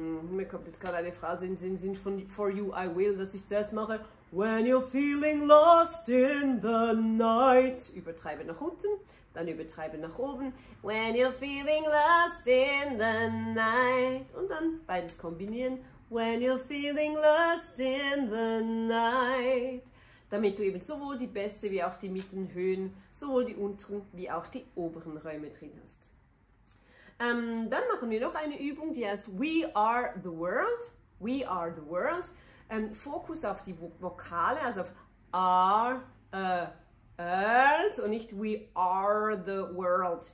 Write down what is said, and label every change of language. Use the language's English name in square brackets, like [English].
[German] Mir kommt jetzt gerade eine Phrase in den Sinn von For You I Will, dass ich zuerst mache. [English] When you're feeling lost in the night. [German] Übertreibe nach unten, dann übertreibe nach oben. [English] When you're feeling lost in the night. [German] Und dann beides kombinieren. [English] When you're feeling lost in the night. [German] Damit du eben sowohl die Bässe wie auch die Mittenhöhen, sowohl die unteren wie auch die oberen Räume drin hast. Dann machen wir noch eine Übung, die heißt [English] We are the world. We are the world. [German] Fokus auf die Vokale, also auf are, world und nicht [English] we are the world.